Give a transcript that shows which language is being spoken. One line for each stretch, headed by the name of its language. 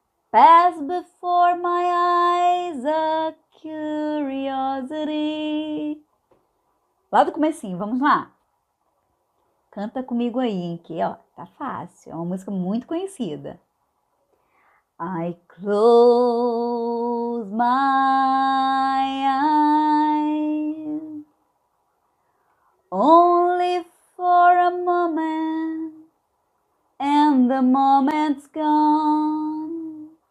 English: Pass before my eyes a curiosity.
Portuguese: Lá do comecinho, vamos lá. Canta comigo aí, hein, que ó, tá fácil. É uma música muito conhecida.
English: I close my eyes only for a moment and the moment's gone.